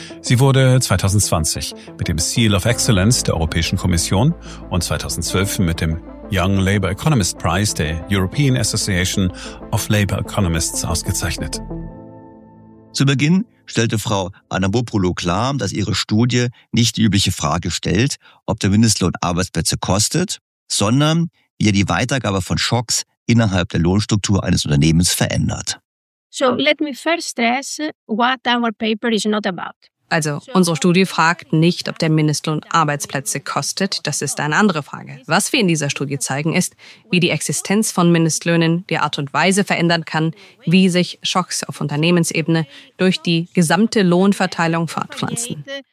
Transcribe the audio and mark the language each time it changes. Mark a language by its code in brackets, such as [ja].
[de] Sie wurde 2020 mit dem Seal of Excellence der Europäischen Kommission und 2012 mit dem Young Labour Economist Prize der European Association of Labour Economists ausgezeichnet. Zu Beginn stellte Frau Adamopoulou klar, dass ihre Studie nicht die übliche Frage stellt, ob der Mindestlohn Arbeitsplätze kostet, sondern wie er die Weitergabe von Schocks innerhalb der Lohnstruktur eines Unternehmens verändert. [en] So let me first stress what our paper is not about. [de] Also, unsere Studie fragt nicht, ob der Mindestlohn Arbeitsplätze kostet. Das ist eine andere Frage. Was wir in dieser Studie zeigen, ist, wie die Existenz von Mindestlöhnen die Art und Weise verändern kann, wie sich Schocks auf Unternehmensebene durch die gesamte Lohnverteilung fortpflanzen.